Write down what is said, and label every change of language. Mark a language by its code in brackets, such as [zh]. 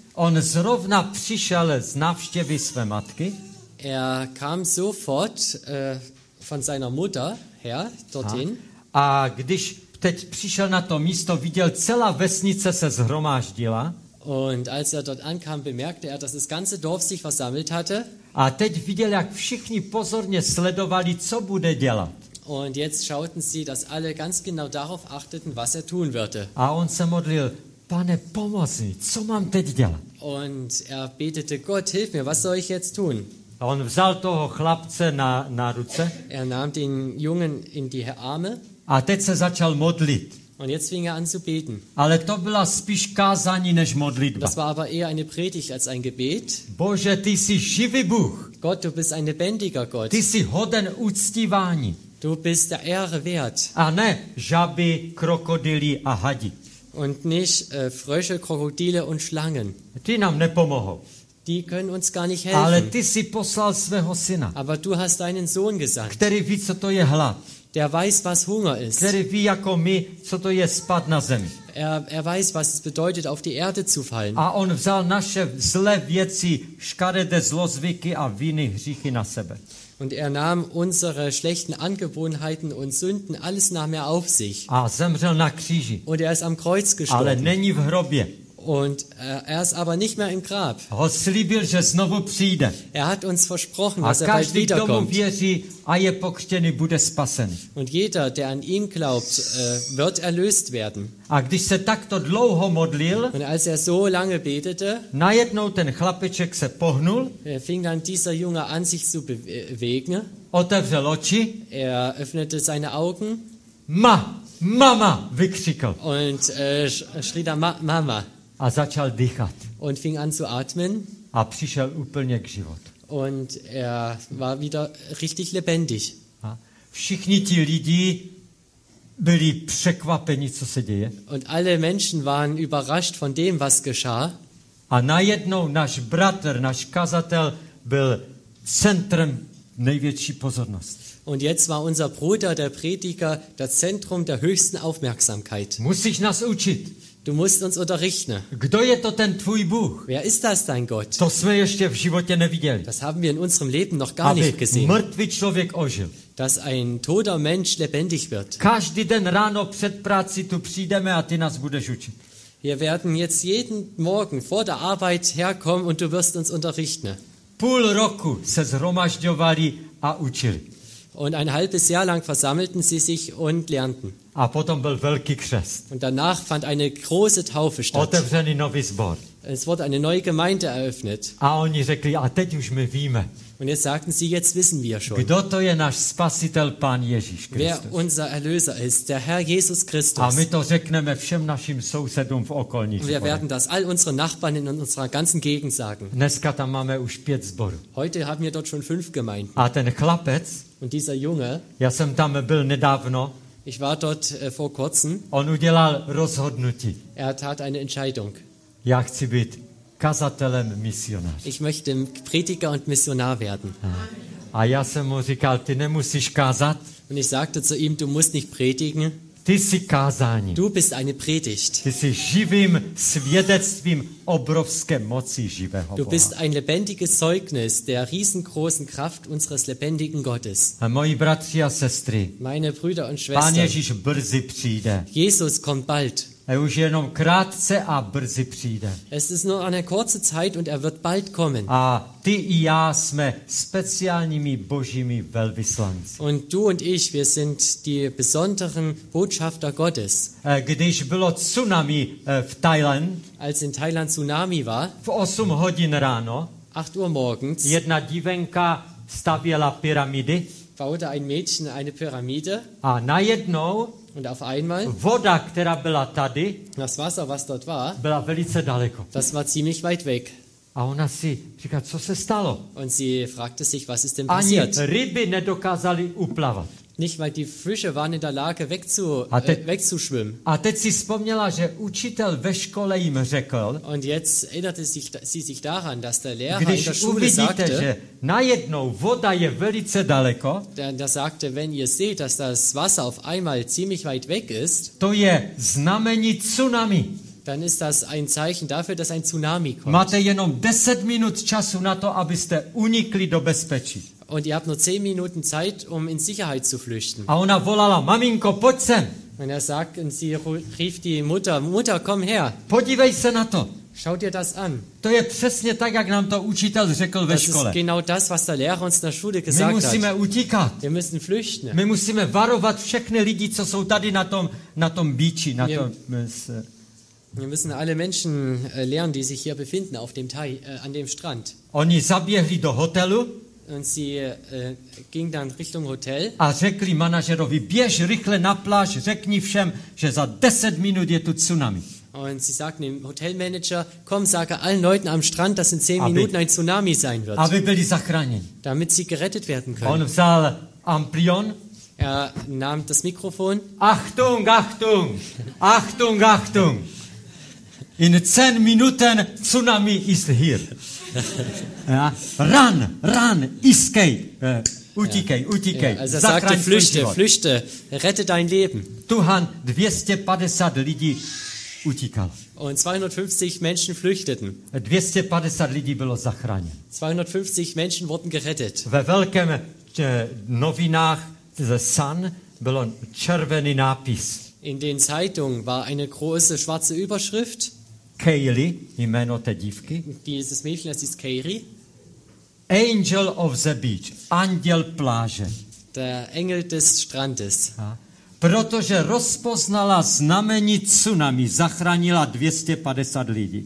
[cs] On zrovna přišel z návštěvy své matky. [de] Er kam sofort von seiner Mutter her dorthin. [cs] A když teď přišel na to místo, viděl, celá vesnice se zhromáždila. [de] Und als er dort ankam, bemerkte er, dass das ganze Dorf sich versammelt hatte. [cs] A teď viděl, jak všichni pozorně sledovali, co bude dělat. [de] Und jetzt schauten sie, dass alle ganz genau darauf achteten, was er tun würde. [cs] A on se modlil, Pane, pomoz mi, co mám teď dělat? [de] Und er betete, Gott, hilf mir, was soll ich jetzt tun? [cs] A on vzal toho chlapce na ruce. [de] Er nahm den Jungen in die Arme. [cs] A teď se začal modlit. [de] Und jetzt fing er an zu beten. [cs] Ale to byla spíš kázání než modlitba. [de] Das war aber eher eine Predigt als ein Gebet. [cs] Bože, ty jsi živý Bůh. [de] Gott, du bist ein lebendiger Gott. [cs] Ty jsi hoden uctívání. [de] Du bist der Ehre wert. [cs] A ne žaby, krokodily a hadi. [de] Und nicht Frösche, Krokodile und Schlangen. [cs] Ty nám nepomohou. [de] Die können uns gar nicht helfen. [cs] Ale ty jsi poslal svého syna. [de] Aber du hast deinen Sohn gesandt. [cs] Který ví, co to je hlad. [de] Der weiß, was Hunger ist. [cs] Který ví, jako my, co to je spad na zemi. [de] Er weiß, was es bedeutet, auf die Erde zu fallen. [cs] A on vzal naše zlé věci, škaredé zlozvyky a viny, hříchy na sebe. [de] Und er nahm unsere schlechten Angewohnheiten und Sünden, alles nahm er auf sich. [cs] A zemřel na kříži. [de] Und er ist am Kreuz gestorben. [cs] Ale není v hrobě. [de] Und er ist aber nicht mehr im Grab. [cs] On slíbil, že znovu přijde. [de] Er hat uns versprochen, [cs] a [de] dass er bald wiederkommt. [cs] Každý, kdo mu věří a je pokřtěný, bude spasen. [de] Und jeder, der an ihn glaubt, wird erlöst werden. [cs] A když se takto dlouho modlil, [de] und als er so lange betete, [cs] najednou ten chlapeček se pohnul, [de] fing dann dieser Junge an, sich zu bewegen. [cs] Otevřel oči. [de] Er öffnete seine Augen. [cs] Ma, mama, vykřikl. [de] Und schrie dann Mama. [cs] A začal dýchat. [de] Und fing an zu atmen. [cs] A přišel úplně k životu. [de] Und er war wieder richtig lebendig. [cs] A všichni ti lidi byli překvapeni, co se děje. [de] Und alle Menschen waren überrascht von dem, was geschah. [cs] A najednou náš bratr, náš kazatel, byl centrem největší pozornosti. [de] Und jetzt war unser Bruder, der Prediger, das Zentrum der höchsten Aufmerksamkeit. Muss ich [cs] nás učit? [de] Du musst uns unterrichten. [cs] Kdo je to ten tvůj Bůh? [de] Wer ist das dein Gott? [cs] To jsme ještě v životě neviděli. [de] Das haben wir in unserem Leben noch gar nicht gesehen. [cs] Mrtvý člověk ožil. [de] Dass ein toter Mensch lebendig wird. [cs] Každý den ráno před práci tu přijdeme a ty nás budeš učit. [de] Wir werden jetzt jeden Morgen vor der Arbeit herkommen und du wirst uns unterrichten. [cs] Půl roku se zhromažďovali a učili. [de] Und ein halbes Jahr lang versammelten sie sich und lernten. [cs] A potom byl velký křest. [de] Und danach fand eine große Taufe statt. [cs] Otevřený nový sbor. [de] Es wurde eine neue Gemeinde eröffnet. [cs] A oni řekli, a teď už my víme. [de] Und jetzt sagten sie, jetzt wissen wir schon. [cs] Kdo to je náš spasitel, Pán Ježíš Kristus? [de] Wer unser Erlöser ist, der Herr Jesus Christus. [cs] A my to řekneme všem našim sousedům v okolních. [de] Wir werden das all unseren Nachbarn in unserer ganzen Gegend sagen. [cs] Dneska tam máme už 5 sborů. [de] Heute haben wir dort schon 5 Gemeinden. [cs] A ten chlapec. [de] Und dieser Junge. [cs] Já jsem tam byl nedávno. [de] Ich war dort vor kurzem. [cs] On udělal rozhodnutí. [de] Er tat eine Entscheidung. [cs] Já chci být kazatelem, misionář. [de] Ich möchte Prediger und Missionar werden. [cs] A já jsem mu říkal, ty nemusíš kázat. [de] Und ich sagte zu ihm, du musst nicht predigen. [cs] Ty jsi kázání. [de] Du bist eine Predigt. [cs] Ty jsi živým svědectvím obrovské moci živého Boha. [de] Du bist ein lebendiges Zeugnis der riesengroßen Kraft unseres lebendigen Gottes. [cs] A moji bratři a sestry, [de] meine Brüder und Schwestern, [cs] Pán Ježíš brzy přijde. [de] Jesus kommt bald. [cs] A už jenom krátce a brzy přijde. [de] Es ist nur eine kurze Zeit und er wird bald kommen. [cs] A ty i já jsme speciálními božími velvyslanci. [de] Und du und ich, wir sind die besonderen Botschafter Gottes. [cs] Když bylo tsunami v Thailand, [de] als in Thailand Tsunami war, [cs] v 8 hodin ráno, [de] 8 Uhr morgens. [cs] Jedna dívenka stavěla pyramidy. [de] Baute ein Mädchen eine Pyramide. [cs] A najednou. [de] Und auf einmal. [cs] Voda, která byla tady. [de] Das Wasser, was dort war. [cs] Byla velice daleko. [de] Das war ziemlich weit weg. [cs] A ona si říká, co se stalo? [de] Und sie fragte sich, was ist denn passiert? [cs] Ani ryby nedokázali uplavat. [de] Nicht mal die Fische waren in der Lage wegzuschwimmen. [cs] A teď si vzpomněla, že učitel ve škole jim řekl. [de] Und jetzt erinnerte sie sich daran, dass der Lehrer in der Schule sagte. [cs] Když uvidíte, že najednou voda je velice daleko. [de] Der sagte, wenn ihr seht, dass das Wasser auf einmal ziemlich weit weg ist. [cs] To je znamení tsunami. [de] Dann ist das ein Zeichen dafür, dass ein Tsunami kommt. [cs] Máte jenom 10 minut času na to, abyste unikli do bezpečí. [de] Und ihr habt nur 10 Minuten Zeit, um in Sicherheit zu flüchten. [cs] A ona volala, maminko, pojď sem. [de] Und er sagt, und sie rief die Mutter, Mutter, komm her. [cs] Podívej se na to. [de] Schau dir das an. [cs] To je přesně tak, jak nám to učitel řekl ve škole. [de] Das ist genau das, was der Lehrer uns in der Schule gesagt hat. [cs] My musíme utíkat. [de] Wir müssen flüchten. [cs] My musíme varovat všechny lidi, co jsou tady na tom beachi, na tom... [de] Wir müssen alle Menschen lernen, die sich hier befinden, auf dem Teich, an dem Strand. [cs] Oni zaběhli do hotelu. [de] Und sie ging dann Richtung Hotel. [cs] A řekli manažerovi, běž rychle na pláž, řekni všem, že za 10 minut je tu tsunami. [de] Und sie sagten dem Hotelmanager, komm, sage allen Leuten am Strand, dass in 10 Minuten ein Tsunami sein wird. [cs] Aby byli zachráněni. [de] Damit sie gerettet werden können. [cs] On vzal amplion. [de] Er nahm das Mikrofon. Achtung, Achtung, Achtung, Achtung. In 10 Minuten Tsunami ist hier. [en] Run, run, escape. [cs] Utíkej, utíkej. [de] Ja, also sagte, flüchte, flüchte, rette dein Leben. [cs] Tuhan 250 lidí utíkal. [de] Und 250 Menschen flüchteten. [cs] 250 lidí bylo zachráněn. [de] 250 Menschen wurden gerettet. [cs] Ve velkém novinách The Sun bylo červený nápis. [de] In den Zeitungen war eine große schwarze Überschrift. [cs] Kaylee, jméno té dívky. [de] Dieses Mädchen, das ist Kaylee. [en] Angel of the beach, [cs] anděl pláže. [de] Der Engel des Strandes. A? [cs] Protože rozpoznala znamení tsunami, zachránila 250 lidí.